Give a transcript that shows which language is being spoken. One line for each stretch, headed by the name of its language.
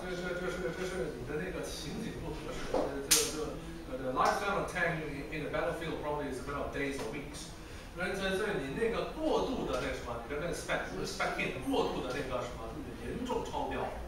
Chinese: 这是你的那个情景不合适。
English: The lifespan of tank in the battlefield probably is a matter of days or weeks。
Chinese: 所以你那个过度的那什么，你的那个 spec in 过度的那个什么，严重超标。